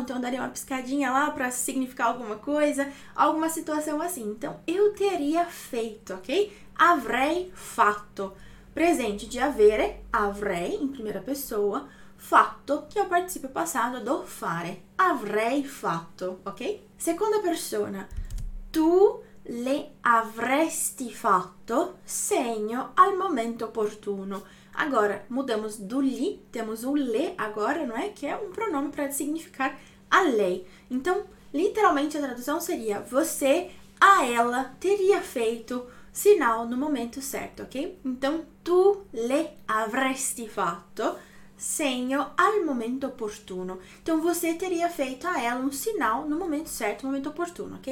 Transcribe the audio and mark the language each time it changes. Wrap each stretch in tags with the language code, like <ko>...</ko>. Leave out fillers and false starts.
<pt>Então, eu daria uma piscadinha lá para significar alguma coisa, alguma situação assim. Então, eu teria feito, ok?</pt> <it>Avrei fatto.</it> <pt>Presente de avere, avrei, em primeira pessoa, fatto, que é o participio passado do fare.</pt> <it>Avrei fatto, ok? Seconda persona, tu le avresti fatto segno al momento opportuno.</it> <pt>Agora, mudamos do gli, temos o le agora, não é? Que é um pronome para significar a lei. Então, literalmente a tradução seria você a ela teria feito sinal no momento certo, ok?</pt> <it>Então, tu le avresti fatto segno al momento opportuno.</it> <pt>Então, você teria feito a ela um sinal no momento certo, no momento opportuno, ok?</pt>